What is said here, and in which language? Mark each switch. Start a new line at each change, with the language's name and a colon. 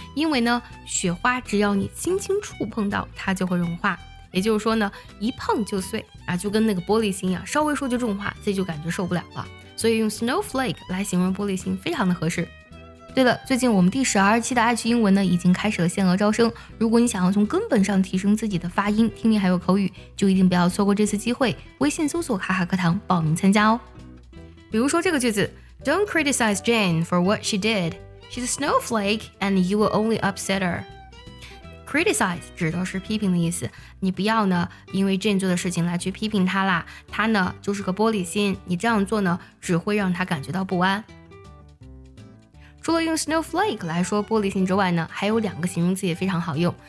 Chinese: 因为呢，雪花只要你轻轻触碰到，它就会融化，也就是说呢，一碰就碎啊，就跟那个玻璃心啊，稍微说就重化，自己就感觉受不了了。所以用 snowflake 来形容玻璃心非常的合适。对了，最近我们第12期的爱趣英文呢已经开始了限额招生，如果你想要从根本上提升自己的发音、听力还有口语，就一定不要错过这次机会，微信搜索卡卡课堂报名参加哦。比如说这个句子，
English: Don't criticize Jane for what she did. She's a snowflake and you will only upset her.
Chinese: Criticize 指的是批评的意思，你不要呢因为 Jane 做的事情来去批评她啦，她呢就是个玻璃心，你这样做呢只会让她感觉到不安。除了用 snowflake 来说玻璃心之外呢，还有两个形容词也非常好用。